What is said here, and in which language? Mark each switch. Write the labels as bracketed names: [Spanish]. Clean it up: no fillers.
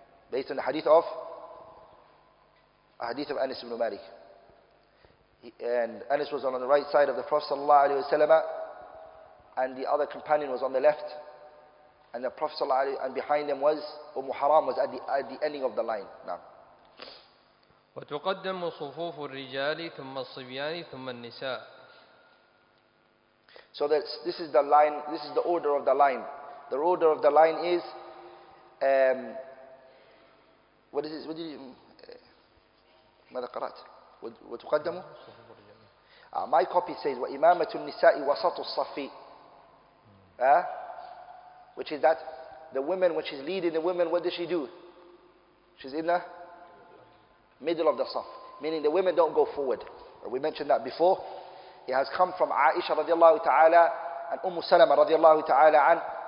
[English] Based on the hadith of Anas ibn Malik. And Anas was on the right side of the Prophet sallallahu alayhi wa sallam, and the other companion was on the left, and the Prophet sallallahu alayhi wa sallam, and behind them was Ummu Haram, was at the ending of the line. Now. [Arabic] وتقدم صفوف الرجال ثم الصبيان ثم النساء. [English] So this is the line, this is the order of the line. The order of the line is, what is this? What did you, [Arabic] ماذا قرأت? وتقدم? [English] My copy says, [Arabic] وإمامة النساء وسط الصف. [English] Which is that, the woman, when she's leading the women, what does she do? She's in the middle of the saf. Meaning the women don't go forward. We mentioned that before. It has come from Aisha radiallahu ta'ala and Ummu Salama radiallahu ta'ala an.